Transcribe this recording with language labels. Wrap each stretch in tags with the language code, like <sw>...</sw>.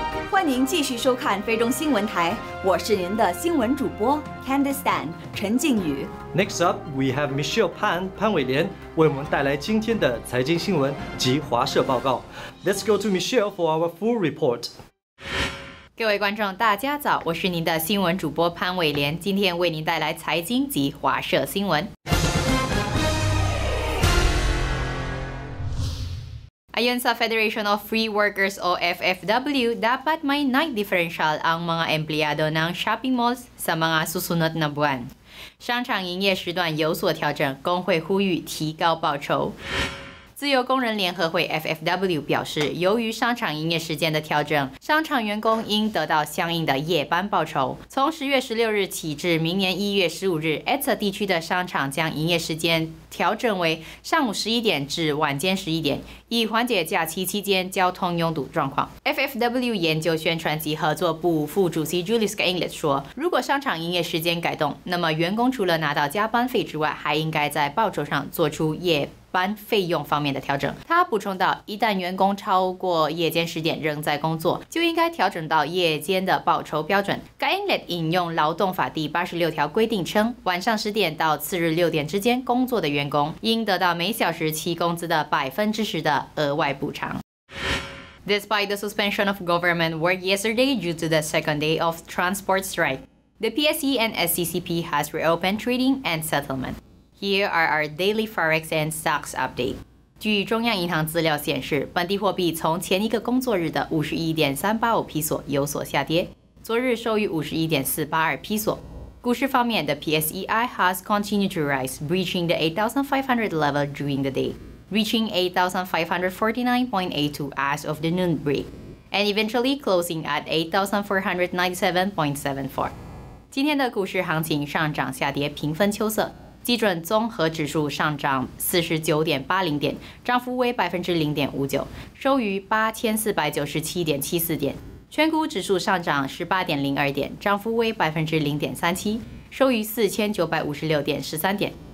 <zh>欢迎继续收看非中新闻台，我是您的新闻主播 Candice Tan 陈静宇。</zh> <en>Next up, we have</en> <zh>Michelle Pan 潘伟莲为我们带来今天的财经新闻及华社报告。</zh> <en>Let's go to Michelle for our full report.</en> <zh>各位观众大家早，我是您的新闻主播潘伟莲，今天为您带来财经及华社新闻。</zh> <tl>Ayon sa Federation of Free Workers o FFW, dapat may night differential ang mga empleyado ng shopping malls sa mga susunod na buwan.</tl> <zh>商场营业时段有所调整，工会呼吁提高报酬。自由工人联合会 FFW 表示，由于商场营业时间的调整，商场员工应得到相应的夜班报酬。从10月16日起至明年1月15日 ，ETSA 地区的商场将营业时间调整为上午11点至晚间11点，以缓解假期期间交通拥堵状况。 FFW 研究宣传及合作部副主席 Julius Gainlet 说，如果商场营业时间改动，那么员工除了拿到加班费之外，还应该在报酬上做出夜班费用方面的调整。他补充到，一旦员工超过夜间时点仍在工作，就应该调整到夜间的报酬标准。 Gainlet 引用劳动法第86条规定称，晚上10点到次日6点之间工作的员工应得到每小时其工资的 10% 的额外补偿。</zh> <en>Despite the suspension of government work yesterday due to the second day of transport strike, the PSE and SCCP has reopened trading and settlement. Here are our daily Forex and stocks update.</en> <zh>据中央银行资料显示，本地货币从前一个工作日的 51.385 披索有所下跌，昨日收于 51.482 披索。股市方面，</zh> <en>the PSEI has continued to rise, breaching the 8,500 level during the day. Reaching 8,549.82 as of the noon break, and eventually closing at 8,497.74.</en> <zh>今天的股市行情上涨下跌平分秋色，基准综合指数上涨49.80点，涨幅为0.59%，收于8,497.74点。全股指数上涨18.02点，涨幅为0.37%，收于4,956.13点。</zh>